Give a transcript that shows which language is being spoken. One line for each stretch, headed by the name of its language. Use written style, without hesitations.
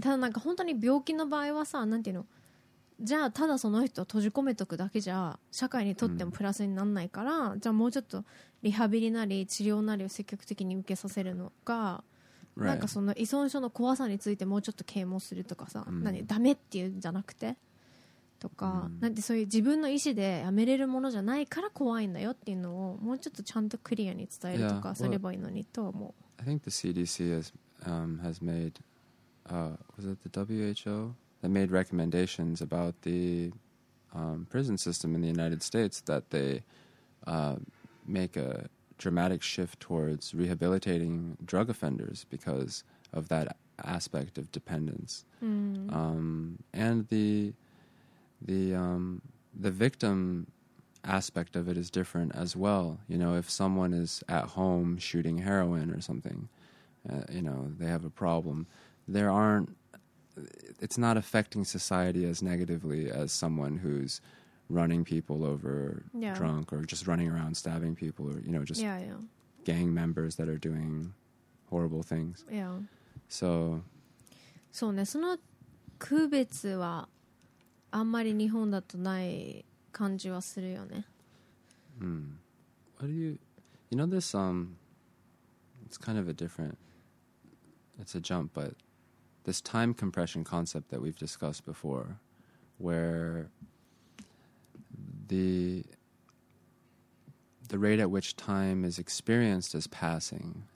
Japanese: ただなんか本当に病気の場合はさなんていうのじゃあただその人を閉じ込めとくだけじゃ社会にとってもプラスにならないから、じゃあもうちょっとリハビリなり治療なりを積極的に受けさせるのか、なんかその依存症の怖さについてもうちょっと啓蒙するとかさ、何ダメっていうんじゃなくてとか、なんてそういう自分の意思でやめれるものじゃないから怖いんだよっていうのをもうちょっとちゃんとクリアに伝えるとかすればいいのにと思う。
English: I think the CDC has made was it the WHO? That made recommendations about the prison system in the United States that they make a dramatic shift towards rehabilitating drug offenders because of that aspect of dependence. And the victim aspect of it is different as well. You know, if someone is at home shooting heroin or something, you know, they have a problem, there aren't. It's not affecting society as negatively as someone who's running people over drunk or just running around stabbing people or, you know, just gang members that are doing horrible things. Yeah. So.
Japanese: そうね。その区別はあんまり日本だとない感じはするよね。
English: What do you, you know, this, it's kind of a different, it's a jump, but. This time compression concept that we've discussed before, where the rate at which time is experienced as passing